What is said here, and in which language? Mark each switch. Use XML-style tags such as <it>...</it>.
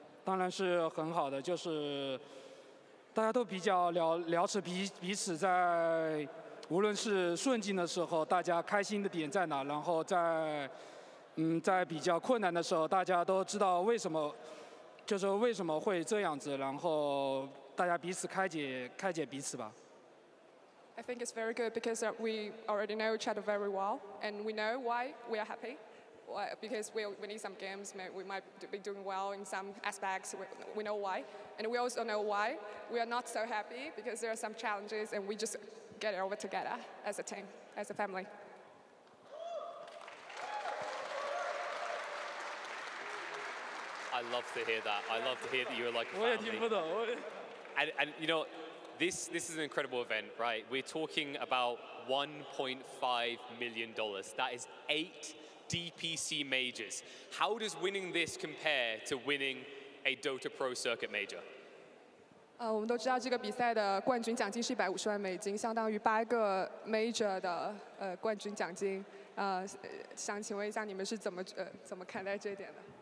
<zh>当然是很好的，就是大家都比较了解彼此，在无论是顺境的时候，大家开心的点在哪，然后在比较困难的时候，大家都知道为什么会这样子，然后大家彼此开解彼此吧。</zh> <en>I think it's very good because we already know each other very well, and we know why we are happy. Because we're winning some games, we might be doing well in some aspects, we know why. And we also know why we are not so happy, because there are some challenges and we just get it over together as a team, as a family. I love to hear that. I love to hear that you're like a family. And you know, this is an incredible event, right? We're talking about $1.5 million. That is eight DPC majors. How does winning this compare to winning a Dota Pro Circuit major?</en> <zh>我们都知道这个比赛的冠军奖金是150万美金，相当于8个 major 的冠军奖金。想请问一下，你们是怎么看待这一点的？</zh>